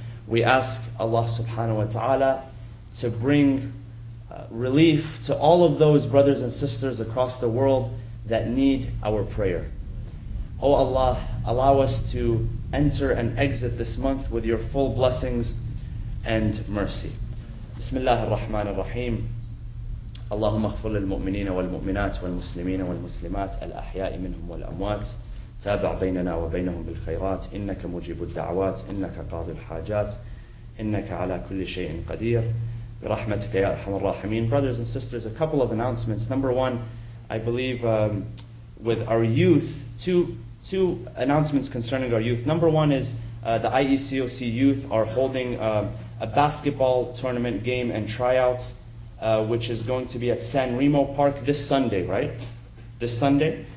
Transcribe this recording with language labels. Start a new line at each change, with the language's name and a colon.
English: We ask Allah subhanahu wa ta'ala to bring relief to all of those brothers and sisters across the world that need our prayer. Oh Allah, allow us to enter and exit this month with Your full blessings and mercy.
Arabic: بسم الله الرحمن الرحيم اللهم اغفر للمؤمنين والمؤمنات والمسلمين والمسلمات الأحياء منهم والأموات تابع بيننا وبينهم بالخيرات إنك مجيب الدعوات إنك قاضي الحاجات إنك على كل شيء قدير برحمتك يا أرحم الراحمين.
English: Brothers and sisters, a couple of announcements. Number one, I believe with our youth, two announcements concerning our youth. Number one is the IECOC youth are holding a basketball tournament game and tryouts, which is going to be at San Remo Park this Sunday, right? This Sunday?